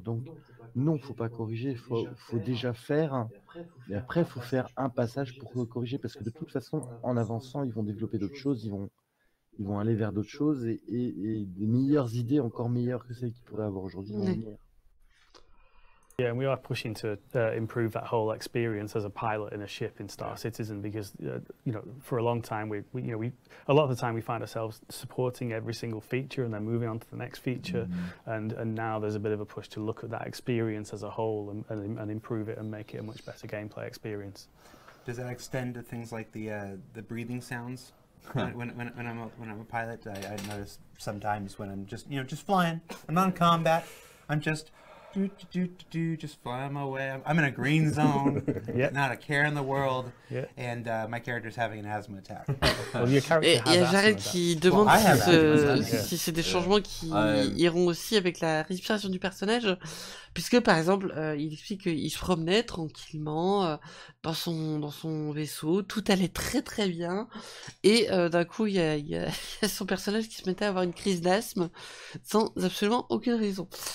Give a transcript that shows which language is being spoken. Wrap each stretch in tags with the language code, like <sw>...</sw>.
<fr>Donc, non, il ne faut pas corriger, il faut déjà faire. Et après, il faut faire un passage pour corriger, parce que de toute façon, en avançant, ils vont développer d'autres choses, ils vont aller vers d'autres choses, et des meilleures idées, encore meilleures que celles qu'ils pourraient avoir aujourd'hui, vont venir.</fr> <en>Yeah, and we are pushing to improve that whole experience as a pilot in a ship in Star Citizen, because you know, for a long time we a lot of the time we find ourselves supporting every single feature and then moving on to the next feature, mm-hmm. and now there's a bit of a push to look at that experience as a whole and improve it and make it a much better gameplay experience. Does that extend to things like the breathing sounds? when I'm a pilot, I notice sometimes when I'm just, you know, just flying, I'm not in combat, I'm just. Do, just fly on my way. I'm in a green zone, yep. Not a care in the world, yep. And my character's having an asthma attack. Well, your character</en> <fr>et il y a Jared qui demande si c'est des changements qui iront aussi avec la respiration du personnage, puisque par exemple, il explique qu'il se promenait tranquillement dans son vaisseau, tout allait très très bien, et d'un coup, il y a son personnage qui se mettait à avoir une crise d'asthme sans absolument aucune raison.</fr>